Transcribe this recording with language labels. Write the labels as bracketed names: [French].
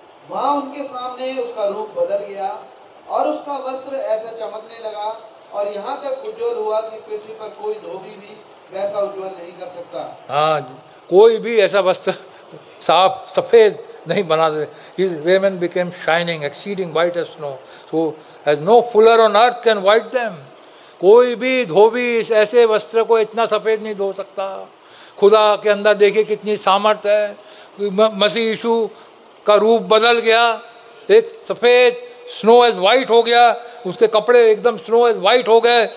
[Hindi] वहाँ उनके सामने उसका रूप बदल गया और उसका वस्त्र ऐसा चमकने लगा और यहाँ तक उज्ज्वल हुआ कि पृथ्वी पर कोई धोबी भी वैसा उज्ज्वल नहीं कर सकता। हाँ, कोई भी ऐसा वस्त्र साफ सफ़ेद नहीं बना दे। [English] His raiment became shining, exceeding white as snow. So, as no fuller on earth can white them. [Hindi] कोई भी धोबी इस ऐसे वस्त्र को इतना सफ़ेद नहीं धो सकता। खुदा के अंदर देखिए कितनी सामर्थ है। मसीह यीशु का रूप बदल गया, एक सफ़ेद [English] snow as white [Hindi] हो गया, उसके कपड़े एकदम स्नो एज वाइट हो गए।